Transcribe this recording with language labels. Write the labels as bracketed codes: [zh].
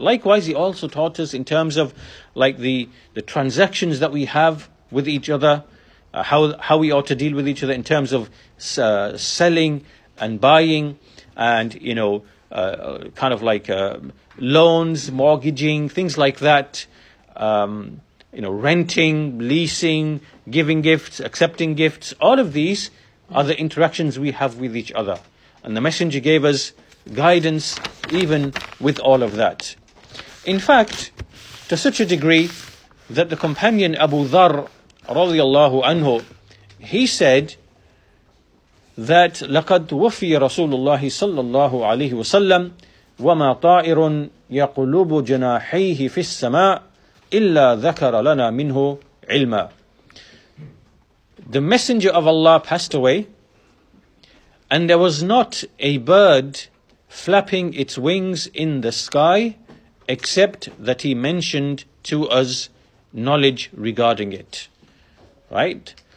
[en] Likewise, he also taught us in terms of like the transactions that we have with each other, how we ought to deal with each other in terms of selling and buying, and you know, kind of like loans, mortgaging, things like that. You know, renting, leasing, giving gifts, accepting gifts, all of these are the interactions we have with each other. And the Messenger gave us guidance even with all of that. In fact, to such a degree that the companion Abu Dharr radiallahu anhu, he said that [ar] لَقَدْ وَفِي رَسُولُ اللَّهِ صَلَّى اللَّهُ عَلَيْهِ وَسَلَّمْ وَمَا طَائِرٌ يَقُلُوبُ جَنَاحَيْهِ فِي السَّمَاءِ إِلَّا ذَكَرَ لَنَا مِنْهُ عِلْمًا. [en] The Messenger of Allah passed away, and there was not a bird flapping its wings in the sky except that he mentioned to us knowledge regarding it. Right?